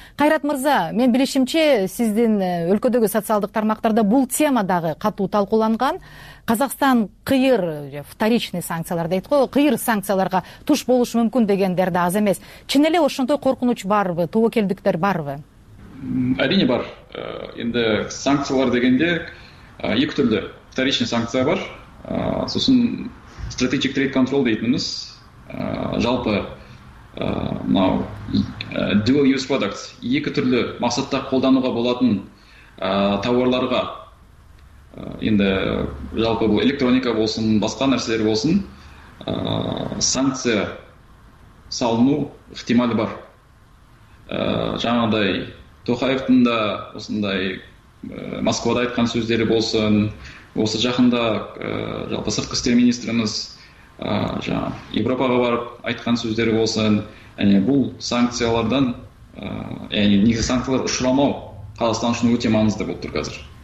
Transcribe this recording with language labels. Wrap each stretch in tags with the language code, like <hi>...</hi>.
<ky>Кайрат мырза, мен билишимче сиздин өлкөдөгү социалдык тармактарда бул тема дагы катуу талкууланган. Казакстан кыйыр вторичный санкциялар дейт го, кыйыр санкцияларга туш болушу мүмкүн дегендер да аз эмес. Чын эле ошондой коркунуч барбы, тобокелдиктер барбы?</ky> <kk>Әрине бар. Енді санкциялар дегенде екі түрлі вторичный санкция бар. Сосын</kk> <en>strategic trade control</en> <kk>дейтініміз, жалпы мынау</kk> <en>dual use products,</en> <kk>екі түрлі мақсатта қолдануға болатын товарларға, енді жалпы бұл электроника болсын, басқа нәрселер болсын, санкция салыну ықтималы бар. Жаңағыдай Тоқаевтың да осындай Москвада айтқан сөздері болсын, осы жақында жалпы сыртқы істер министріміз жаңағы Европаға барып айтқан сөздері болсын, әне бұл санкциялардан, яғни негізі санкциялар ұшырамау Қазақстан үшін өте маңызды болып тұр қазір.</kk>